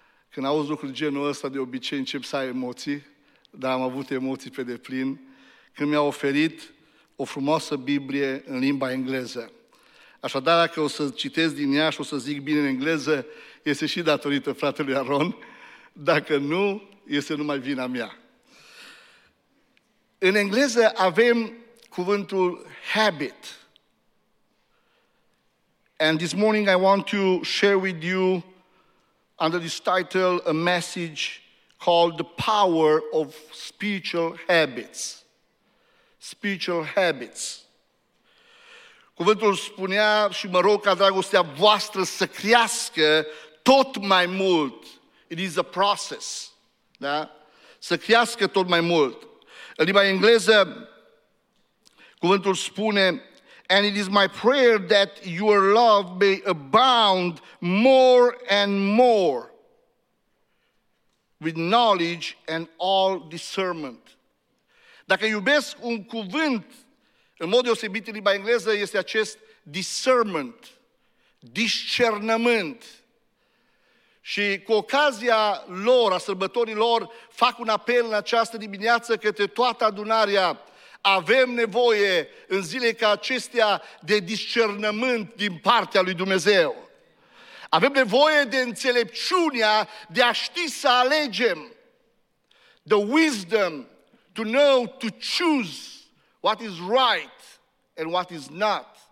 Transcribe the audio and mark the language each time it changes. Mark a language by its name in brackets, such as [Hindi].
[Romanian] Când auzi lucruri genul ăsta, de obicei încep să ai emoții, dar am avut emoții pe deplin, când mi-a oferit o frumoasă Biblie în limba engleză. Așadar, dacă o să citesc din ea și o să zic bine în engleză, este și datorită fratelui Aron. Dacă nu, este numai vina mea. În engleză avem cuvântul habit. [English] And this morning I want to share with you, under this title, a message called The Power of Spiritual Habits. Spiritual Habits. [Romanian] Cuvântul spunea, și mă rog ca dragostea voastră să crească tot mai mult. [English] It is a process. [Romanian] Da? Să crească tot mai mult. În limba engleză, cuvântul spune, [English] and it is my prayer that your love may abound more and more with knowledge and all discernment. [Romanian] Dacă iubesc un cuvânt, în mod deosebit în limba engleză, este acest discernment, discernământ. Și cu ocazia lor, a sărbătorii lor, fac un apel în această dimineață către toată adunarea. Avem nevoie în zile ca acestea de discernământ din partea lui Dumnezeu. Avem nevoie de înțelepciunea de a ști să alegem. [English] The wisdom to know to choose what is right and what is not.